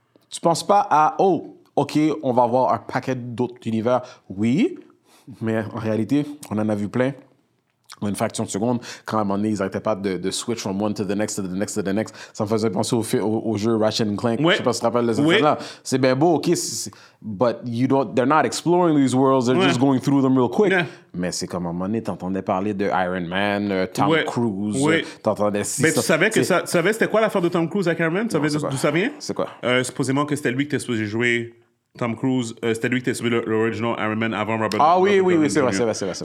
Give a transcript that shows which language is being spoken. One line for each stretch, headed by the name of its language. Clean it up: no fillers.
French: Tu penses pas à, oh, OK, on va voir un paquet d'autres univers. Oui, mais en réalité, on en a vu plein. Une fraction de seconde, quand à un moment donné, ils n'arrêtaient pas de
English: switch from one to the next,
French: to the next, to the next. Ça me faisait penser au jeu Ratchet & Clank. Ouais. Je sais pas si tu te rappelles de ça. Ouais. C'est bien beau, OK,
English: but you don't, they're not exploring these worlds, they're just going through them real quick.
French: Ouais. Mais c'est comme à un moment donné, t'entendais parler de Iron Man, Tom Cruise. Ouais. T'entendais si, mais ça, tu savais que ça, tu savais c'était quoi l'affaire de Tom Cruise avec Iron Man? Tu savais d'où ça vient? C'est quoi? Supposément que c'était lui qui était supposé jouer Tom Cruise, c'était lui qui était celui l'original Iron Man avant Robert Downey. Ah oui, oui, oui, c'est vrai, c'est vrai, c'est vrai.